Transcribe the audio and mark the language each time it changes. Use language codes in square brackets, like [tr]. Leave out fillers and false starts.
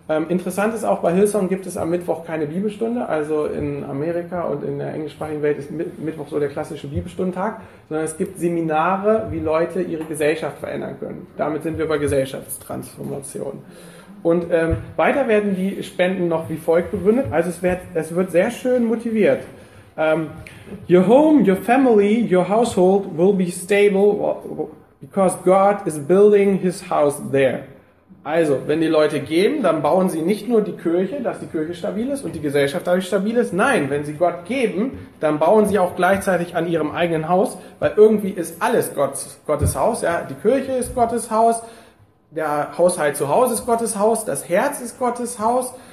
[de] Interessant ist auch, bei Hillsong gibt es am Mittwoch keine Bibelstunde, also in Amerika und in der englischsprachigen Welt ist Mittwoch so der klassische Bibelstundentag, sondern es gibt Seminare, wie Leute ihre Gesellschaft verändern können. Damit sind wir bei Gesellschaftstransformation. Und weiter werden die Spenden noch wie folgt begründet, also es wird sehr schön motiviert. [en] Your home, your family, your household will be stable because God is building his house there. [de] Also, wenn die Leute geben, dann bauen sie nicht nur die Kirche, dass die Kirche stabil ist und die Gesellschaft dadurch stabil ist. Nein, wenn sie Gott geben, dann bauen sie auch gleichzeitig an ihrem eigenen Haus, weil irgendwie ist alles Gottes Haus. Ja, die Kirche ist Gottes Haus, der Haushalt zu Hause ist Gottes Haus, das Herz ist Gottes Haus.